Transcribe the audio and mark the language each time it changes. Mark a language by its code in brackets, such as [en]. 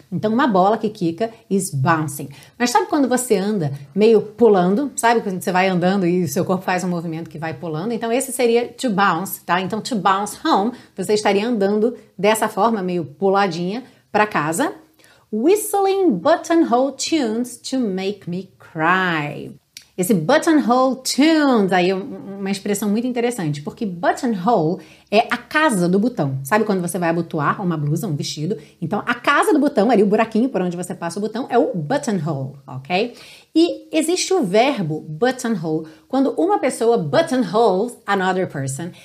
[pt] Então, uma bola que quica [en] is bouncing. [pt] Mas sabe quando você anda meio pulando? Sabe quando você vai andando e o seu corpo faz um movimento que vai pulando? Então, esse seria [en] to bounce, [pt] tá? Então, [en] to bounce home, [pt] você estaria andando dessa forma, meio puladinha, para casa. [en] Whistling buttonhole tunes to make me cry. [pt] Esse buttonhole tunes aí é uma expressão muito interessante, porque buttonhole é a casa do botão. Sabe quando você vai abotoar uma blusa, um vestido? Então, a casa do botão, ali o buraquinho por onde você passa o botão, é o buttonhole, ok? E existe o verbo buttonhole quando uma pessoa [en] buttonholes another person.